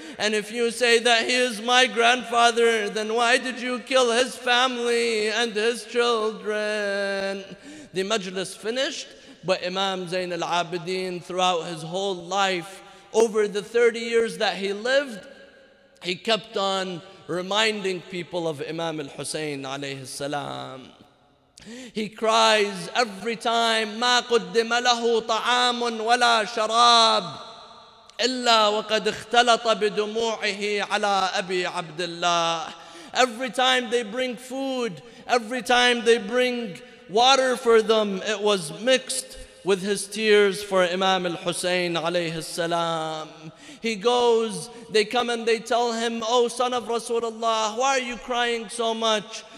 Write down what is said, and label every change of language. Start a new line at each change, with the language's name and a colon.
English: And if you say that he is my grandfather, then why did you kill his family and his children? The majlis finished, but Imam Zain al-Abidin, throughout his whole life, over the 30 years that he lived, he kept on reminding people of Imam al-Husayn alayhi salam. He cries every time,
Arabic: ما قدم له طعام ولا شراب إلا وقد اختلط بدموعه على أبي عبد الله.
English: Every time they bring food, every time they bring water for them, it was mixed with his tears for Imam al-Husayn alayhi salam. He goes, they come and they tell him, O son of Rasulullah, why are you crying so much?